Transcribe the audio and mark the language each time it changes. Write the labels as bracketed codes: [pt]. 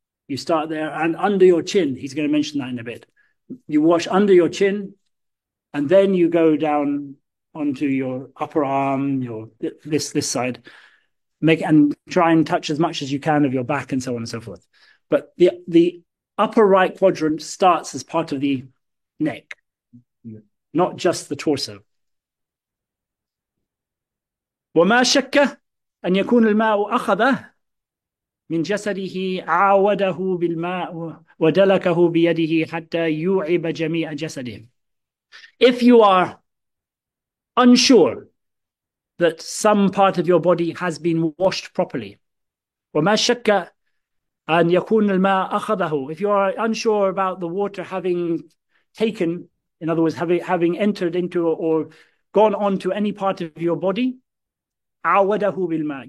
[en] You start there and under your chin. He's going to mention that in a bit. You wash under your chin and then you go down onto your upper arm, your this side. Make and try and touch as much as you can of your back and so on and so forth. But the upper right quadrant starts as part of the neck, Yeah. not just the torso. [ar] وما شك أن يكون الماء أخذ من جسده عاوده بالماء ودلكه بيده حتى يوعب جميع جسده. [en] If you are unsure that some part of your body has been washed properly, [ar] وما شك أن يكون الماء أخذه. [en] If you are unsure about the water having taken, in other words, having entered into or gone on to any part of your body, [ar] عَوَدَهُ بِالْمَاءِ.